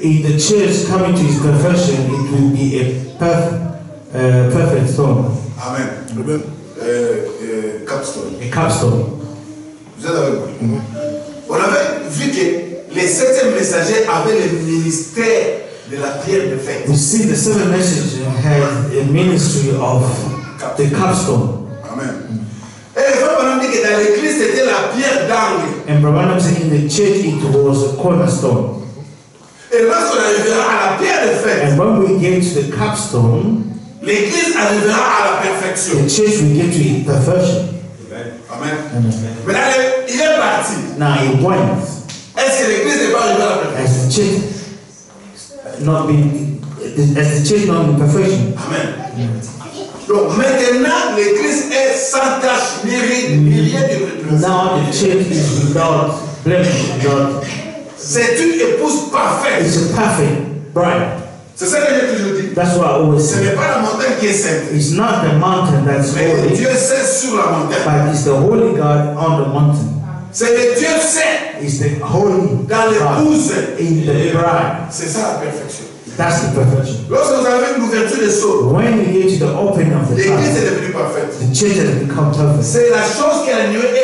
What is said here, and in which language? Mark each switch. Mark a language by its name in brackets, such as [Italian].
[English] In the church, coming to its perfection, it will be a perfect stone. Amen. Amen. A capstone. [French] Vous êtes avec moi. Mm-hmm. On avait vu que les sept messagers avaient le ministère de la pierre de fait. [English] We see the seven messengers had a ministry of the capstone. Amen. And Brahman was saying in the church it was a cornerstone. And when we get to the capstone, the church will get to its perfection. Amen. Amen. Amen. Now he went. Has the church not been, has the church not been perfection? Amen. [French] Donc maintenant l'Église est sans tache ni ride ni rien de [English] plus. Now the church is without blemish, without. [French] C'est une épouse parfaite. [English] It's a perfect bride. [French] C'est ça que j'ai toujours dit. [English] That's what I always say. [French] Ce n'est pas la montagne qui est sainte. [English] It's not the mountain that's [French] mais [English] holy. [French] Mais Dieu sait sur la montagne. [English] But it's the Holy God on the mountain. [French] C'est le Dieu sait. [English] It's the Holy God. [French] Dans l'épouse. [English] In the bride. [French] C'est ça la perfection. [English] That's the perfection. When you get to the opening of the church, the church has become perfect.